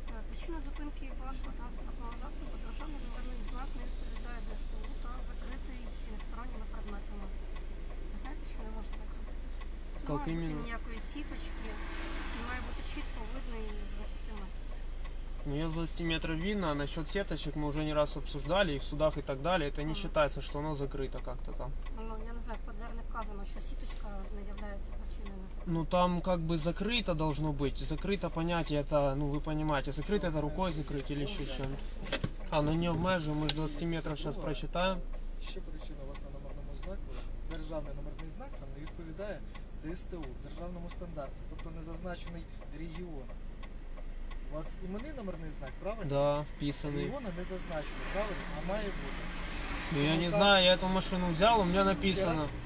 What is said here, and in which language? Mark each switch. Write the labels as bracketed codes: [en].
[uk] Причина зупинки вашого транспортного засобу державний номерний знак не відповідає ДСТУ та закритий фінесторонніми предметами. Ви знаєте, що не можна так робити? Так, не може бути ніякої сіточки. Все має бути чітко видно і 20 метрів. [ru] Ну, я 20 метров видно, а насчет сеточек мы уже не раз обсуждали, и в судах и так далее, это не считается, что оно закрыто как-то там. Ну, я не знаю, в ПДРН указано, что сеточка не является причиной незакрытой. Ну, там как бы закрыто должно быть, закрыто понятие это, ну, вы понимаете, закрыто это рукой закрыть или еще чем-то. А, ну не обмежим, мы же 20 метров сейчас прочитаем. Еще причина у вас на номерном знаку, [uk] державный номерный знак сам не відповідає ДСТУ, державному стандарту, тобто незазначений регион. У вас іменний номерний знак, правильно? Да, вписаний. Регіону не зазначено, правильно? А має бути. [ru] Ну, я не знаю, я эту машину взял, у меня написано.